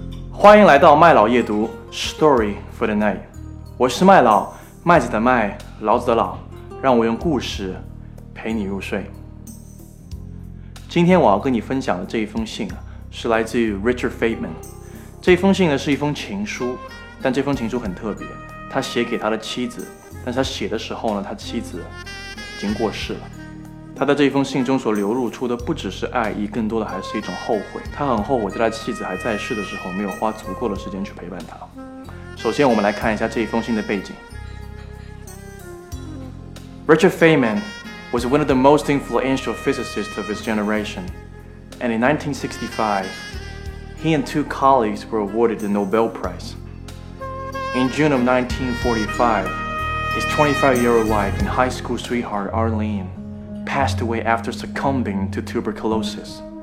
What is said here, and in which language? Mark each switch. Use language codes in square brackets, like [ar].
[zh] 欢迎来到麦老夜读 [en] Story for the Night。 [zh] 我是麦老，麦子的麦，老子的老，让我用故事陪你入睡。今天我要跟你分享的这一封信是来自于 Richard Feynman。这封信呢是一封情书，但这封情书很特别，他写给他的妻子，但是他写的时候呢，他妻子已经过世了。他在这封信中所流露出的不只是爱意，更多的还是一种后悔。他很后悔在他妻子还在世的时候没有花足够的时间去陪伴他。首先我们来看一下这封信的背景。 [en] Richard Feynman was one of the most influential physicists of his generation, and in 1965 he and two colleagues were awarded the Nobel PrizeIn June of 1945, his 25-year-old wife and high school sweetheart, Arlene, passed away after succumbing to tuberculosis.